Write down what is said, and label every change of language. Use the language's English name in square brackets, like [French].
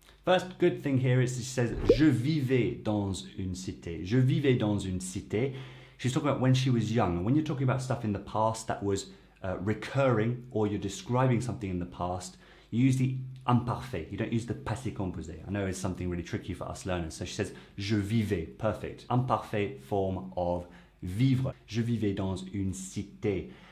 [English] First good thing here is she says, [French] je vivais dans une cité. Je vivais dans une cité. [English] She's talking about when she was young. When you're talking about stuff in the past that was recurring, or you're describing something in the past, you use the imparfait, you don't use the passé composé. I know it's something really tricky for us learners. So she says, [French] je vivais, [English] perfect. Imparfait form of vivre. [French] Je vivais dans une cité.